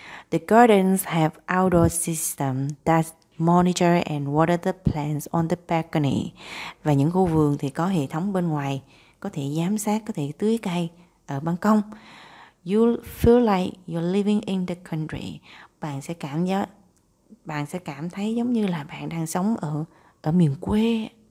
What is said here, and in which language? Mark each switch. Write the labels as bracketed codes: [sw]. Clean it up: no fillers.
[en] The gardens have outdoor systems that monitor and water the plants on the balcony. [vi] Và những khu vườn thì có hệ thống bên ngoài có thể giám sát, có thể tưới cây ở ban công. [en] You'll feel like you're living in the country. [vi] Bạn sẽ cảm thấy giống như là bạn đang sống ở miền quê.